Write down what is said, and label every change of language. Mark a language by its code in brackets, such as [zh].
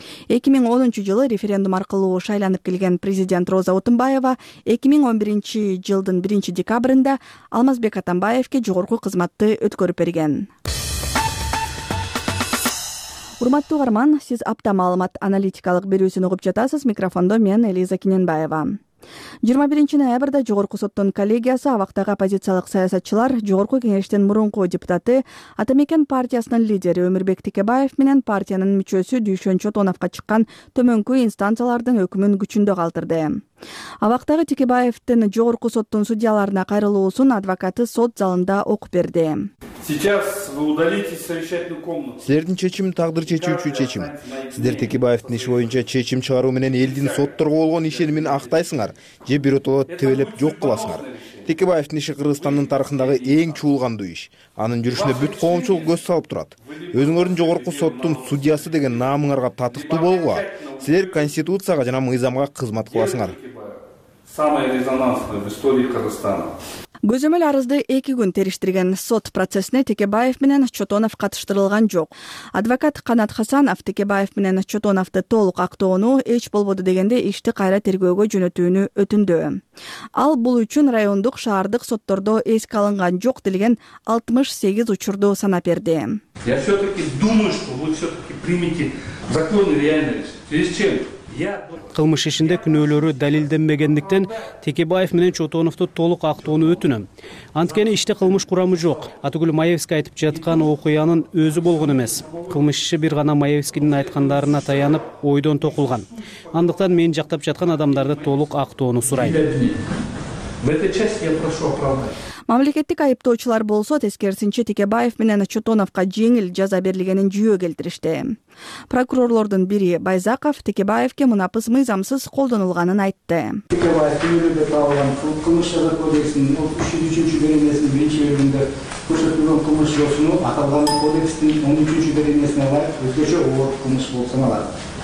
[ky] 2010 жылы референдум аркылуу шайланып келген президент Роза Отунбаева 2011 жылдын 1 декабрында Алмазбек Атамбаевке жогорку кызматты өткөрүп берген. Урматтуу карман, сиз апта маалымат аналитикалык берүүсүн угуп жатасыз. Микрофондо мен Элиза Кененбаева. 21 ноябрда Жогорку соттун коллегиясы абактагы оппозициялык саясатчылар, Жогорку кеңештин мурунку депутаты, Атамекен партиясынын лидери Өмүрбек Текебаев менен партиянын мүчөсү Дүйшөн Чотоновко чыккан төмөнкү инстанциялардын өкүмүн күчүндө калтырды. Абактагы Текебаевтин Жогорку соттун судьяларына кайрылуусун адвокаты сот залында окуп берди. [ru] Сейчас вы удалитесь из совещательной комнаты. [ky] Силердин чечим тагдыр чечүүчү чечим. Силер Текебаевдин иши боюнча чечим чыгаруу менен элдин сотторго болгон ишенимин актайсыңар же бир отоло тебелеп жок кыласыңар. Текебаевдин иши Кыргызстандын тарыхындагы эң чуулгандуу иш. Анын жүрүшүнө бүт коомчулук көз салып турат. Өзүңөрдүн жогорку соттун судьясы деген наамыңарга татыктуу болгула. Силер конституцияга жана мыйзамга кызмат кыласыңар. [ru] Самый резонансный в истории Казахстана. [ky] Көзөмөл арызды 2 күн териштирген сот процессине Текебаев менен Чотонов катыштырылган жок. Адвокат Канат Хасанов Текебаев менен Чотоновду толук актоону эч болбоду дегенде ишти кайра тергөөгө жөнөтүүнү өтүндү. Ал бул үчүн райондук, шаардык соттордо эске алынган жок делген 68 учурду санап берди. [ru] Я всё-таки думаю, что вы всё-таки примите законы реальные. Через чем? [ky] Кылмыш ишинде күнөөлөрү далилденбегендиктен Текебаев менен Чотоновду толук актоону өтүнөм. Анткени иште кылмыш курамы жок. Атыгүл Маевский айтып жаткан окуянын өзү болгон эмес. Кылмыш иши бир гана Маевскийдин айткандарына таянып ойдон токулган. Андыктан мен жактап жаткан адамдарды толук актоону сурайм. [ru] В этой части я прошу оправдать. [ky] Мамлекеттик айыптоочулар болсо тескерисинче Текебаев менен Чотоновко жеңил жаза берилгенин жүйө келтиришти. Прокурорлордун бири Байзаков Текебаевке мунапыс мыйзамсыз колдонулганын айтты. Текебаев түрмөдө табылган кылмыш жаза кодексинин 3-3 беренесинин 1-чи бөлүгүндө көрсөтүлгөн кылмыш жолсуну аталган кодекстин 13-чү беренесине ылайык өзгөчө оор кылмыш болуп саналат.